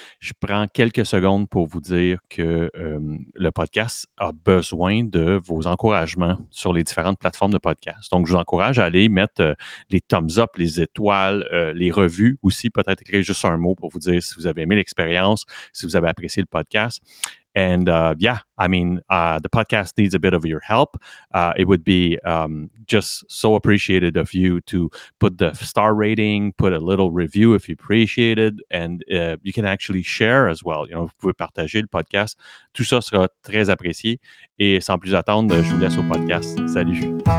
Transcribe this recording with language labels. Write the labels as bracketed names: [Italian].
[French] Je prends quelques secondes pour vous dire que le podcast a besoin de vos encouragements sur les différentes plateformes de podcast. Donc, je vous encourage à aller mettre les thumbs up, les étoiles, les revues aussi, peut-être écrire juste un mot pour vous dire si vous avez aimé l'expérience, si vous avez apprécié le podcast. [English] And the podcast needs a bit of your help. It would be just so appreciated of you to put the star rating, put a little review if you appreciate it, and you can actually share as well. You know, [French] vous pouvez partager le podcast. Tout ça sera très apprécié. Et sans plus attendre, je vous laisse au podcast. Salut.